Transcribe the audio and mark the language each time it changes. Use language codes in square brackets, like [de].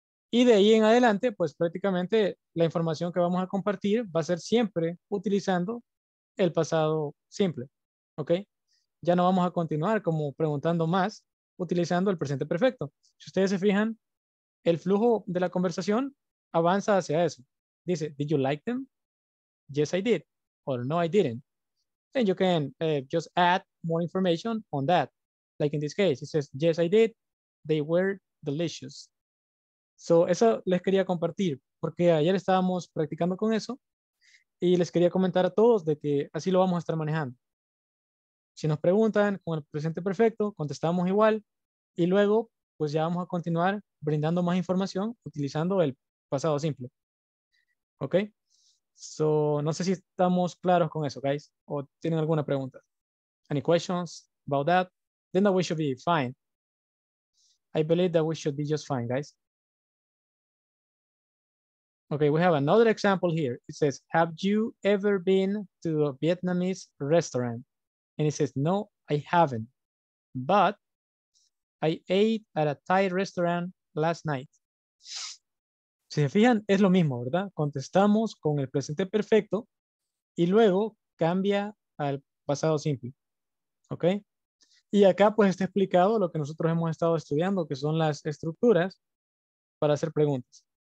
[es] Y de ahí en adelante, pues prácticamente la información que vamos a compartir va a ser siempre utilizando el pasado simple. Okay. Ya no vamos a continuar como preguntando más utilizando el presente perfecto. Si ustedes se fijan, el flujo de la conversación avanza hacia eso. Dice, [en] did you like them? Yes, I did. Or no, I didn't. And you can just add more information on that. Like in this case, it says, yes, I did. They were delicious. [es] So, eso les quería compartir, porque ayer estábamos practicando con eso, y les quería comentar a todos de que así lo vamos a estar manejando. Si nos preguntan con el presente perfecto, contestamos igual, y luego, pues ya vamos a continuar brindando más información utilizando el pasado simple. ¿Ok? So, no sé si estamos claros con eso, guys, o tienen alguna pregunta. [en] Any questions about that? Then we should be fine. I believe that we should be just fine, guys. Okay, we have another example here. It says, have you ever been to a Vietnamese restaurant? And it says, no, I haven't. But I ate at a Thai restaurant last night. [es] Si se fijan, es lo mismo, ¿verdad? Contestamos con el presente perfecto y luego cambia al pasado simple. Okay. Y acá pues está explicado lo que nosotros hemos estado estudiando, que son las estructuras para hacer preguntas.